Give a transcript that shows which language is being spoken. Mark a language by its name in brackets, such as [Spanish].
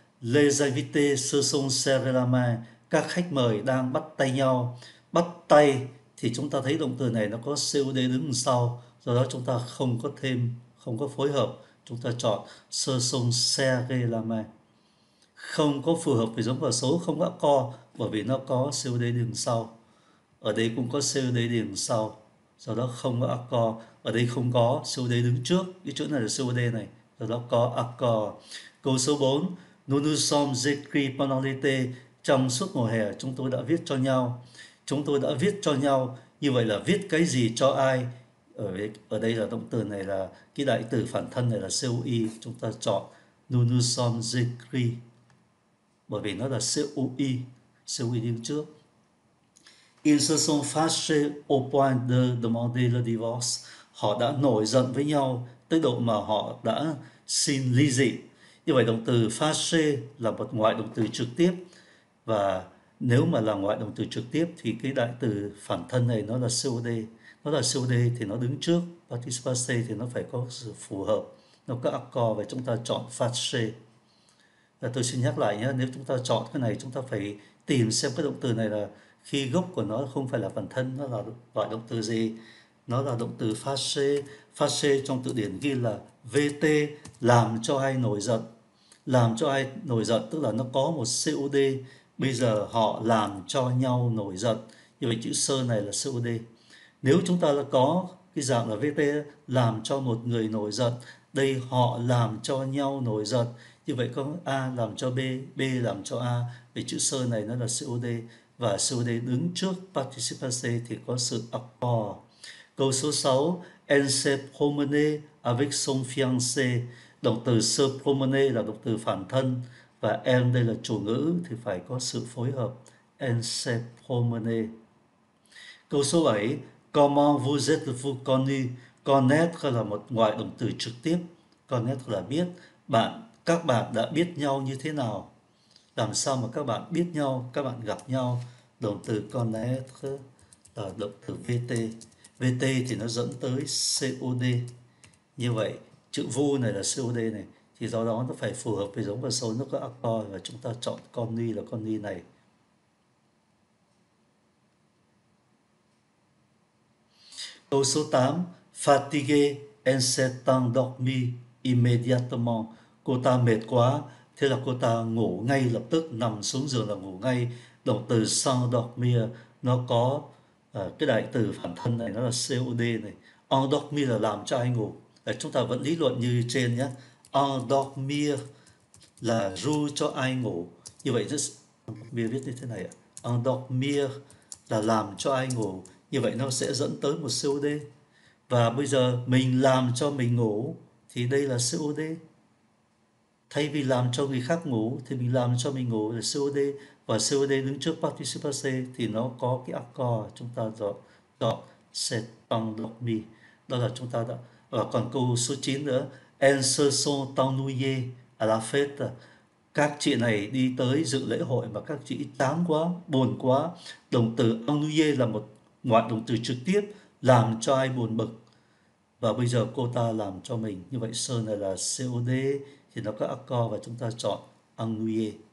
[French] Les invités se sont serrés la main. [Vietnamese] Các khách mời đang bắt tay nhau. Bắt tay thì chúng ta thấy động từ này nó có COD đứng sau. Do đó chúng ta không có thêm, không có phối hợp. Chúng ta chọn [French] se sont serrés la main. [Vietnamese] Không có phù hợp vì giống vào số không có co, bởi vì nó có COD đứng sau. Ở đây cũng có COD đứng sau. Do đó không có accord. Ở đây không có COD đứng trước. Cái chữ này là COD này. Do đó có accord. Câu số 4. [French] Nous nous sommes écrits pendant l'été. [Vietnamese] Trong suốt mùa hè chúng tôi đã viết cho nhau. Chúng tôi đã viết cho nhau. Như vậy là viết cái gì cho ai? Ở đây là động từ này là cái đại từ phản thân này là COI. Chúng ta chọn [French] nous nous sommes écrits. [Vietnamese] Bởi vì nó là COI. COI đứng trước. [French] Ils se sont fâchés au point de demander le divorce. [Vietnamese] Họ đã nổi giận với nhau tới độ mà họ đã xin ly dị. Như vậy động từ fâché là một ngoại động từ trực tiếp. Và nếu mà là ngoại động từ trực tiếp thì cái đại từ phản thân này nó là COD. Nó là COD thì nó đứng trước. Participe thì nó phải có sự phù hợp. Nó có accord và chúng ta chọn fâché. Và tôi xin nhắc lại nhé. Nếu chúng ta chọn cái này chúng ta phải tìm xem cái động từ này là khi gốc của nó không phải là phần thân, nó là loại động từ gì? Nó là động từ fâché. Fâché trong từ điển ghi là VT, làm cho ai nổi giận. Làm cho ai nổi giận tức là nó có một COD. Bây giờ họ làm cho nhau nổi giận. Như vậy chữ sơ này là COD. Nếu chúng ta có cái dạng là VT, làm cho một người nổi giận. Đây họ làm cho nhau nổi giận. Như vậy có A làm cho B, B làm cho A. Vì chữ sơ này nó là COD. Và COD đứng trước participe thì có sự accord. Câu số 6, [French] elle s'est promenée avec son fiancé. [Vietnamese] Động từ se promener là động từ phản thân và elle đây là chủ ngữ thì phải có sự phối hợp [French] elle s'est promenée. [Vietnamese] Câu số 7, [French] comment vous êtes-vous connu? [Vietnamese] Connaître là một ngoại động từ trực tiếp. Connaître là biết. Bạn, các bạn đã biết nhau như thế nào? Làm sao mà các bạn biết nhau, các bạn gặp nhau? Động từ connaître là động từ VT. VT thì nó dẫn tới COD. Như vậy, chữ vu này là COD này. Thì do đó nó phải phù hợp với giống và số, nó có accord và chúng ta chọn connu là connu này. Câu số 8. [French] Fatigué, elle s'est endormie immédiatement. [Vietnamese] Cô ta mệt quá, thế là cô ta ngủ ngay lập tức, nằm xuống giường là ngủ ngay. Động từ s'endormir nó có cái đại từ phản thân này, nó là COD này. Endormir là làm cho ai ngủ. Chúng ta vẫn lý luận như trên nhé. Endormir là ru cho ai ngủ. Như vậy, just, endormir viết như thế này ạ. Endormir là làm cho ai ngủ. Như vậy nó sẽ dẫn tới một COD. Và bây giờ mình làm cho mình ngủ thì đây là COD. Thay vì làm cho người khác ngủ thì mình làm cho mình ngủ là COD và COD đứng trước participe thì nó có cái accord chúng ta dọn dọn sẽ tăng lọc mi đó là chúng ta đã. Và còn câu số 9 nữa, [French] elles se sont ennuyées à la fête. [Vietnamese] Các chị này đi tới dự lễ hội mà các chị chán quá, buồn quá. Động từ ennuyé là một ngoại động từ trực tiếp làm cho ai buồn bực và bây giờ cô ta làm cho mình. Như vậy sơ này là COD thì nó có accord và chúng ta chọn ennuyé.